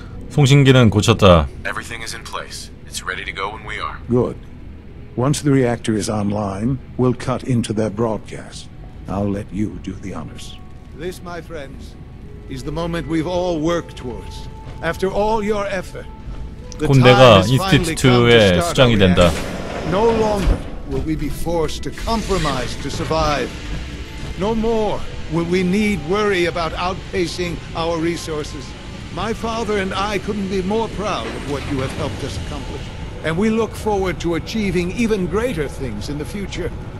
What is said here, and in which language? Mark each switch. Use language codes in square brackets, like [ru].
[ko] 송신기는 고쳤다. [en] Everything is in place. It's ready to go when we are. Good. Once the reactor is online, we'll cut into their broadcast. I'll let you do the honors. This, my friends, is the moment we've all worked towards. After all your effort. [ko] 곧 내가 인스티튜트의 수장이 된다. [en] No longer will we be forced to compromise to survive. No more will we need worry about outpacing our resources. My father and I couldn't be more proud of what you have helped us accomplish. And we look forward to achieving even greater things in the future.